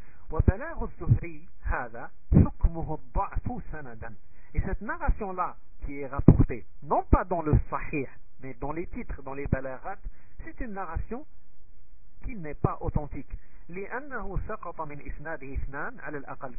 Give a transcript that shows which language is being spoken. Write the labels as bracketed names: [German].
[Arabic] وبلاغ الزهري هذا حكمه الضعف سندا. [French] Et cette narration là qui est rapportée non pas dans le sahih mais dans les titres, dans les balaghat, c'est une narration qui n'est pas authentique. [Arabic] لأنه سقط من إسناده اثنان على الأقل.